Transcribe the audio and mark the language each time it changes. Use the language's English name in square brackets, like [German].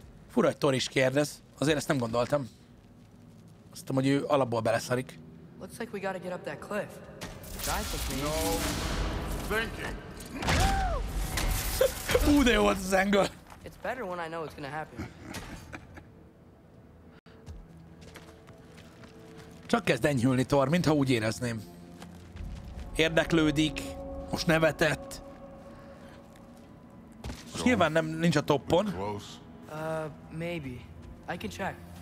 [Hungarian] Fura, hogy Thor is kérdez. Azért ezt nem gondoltam. Azt mondom, hogy ő alapból beleszarik. [English] Looks like we gotta get up that cliff. No thinking. [Hungarian] Ú, de jó volt az angol. [English] It's better when I know it's gonna happen. [Hungarian] Csak kezd enyhülni, Thor, mintha úgy érezném. Érdeklődik, most nevetett. Most nyilván nem, nincs a toppon. [English] Maybe. I can check.